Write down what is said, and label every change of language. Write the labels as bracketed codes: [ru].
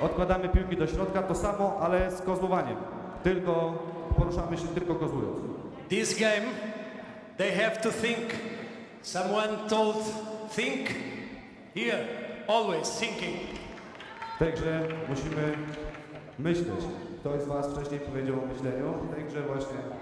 [pl] Odkładamy piłki do środka, to samo, ale z kozłowaniem. Tylko poruszamy się tylko kozłując. [en] This game, they have to think. Someone told think here, always thinking. [pl] Także musimy myśleć. Ktoś z was wcześniej powiedział o myśleniu, także właśnie.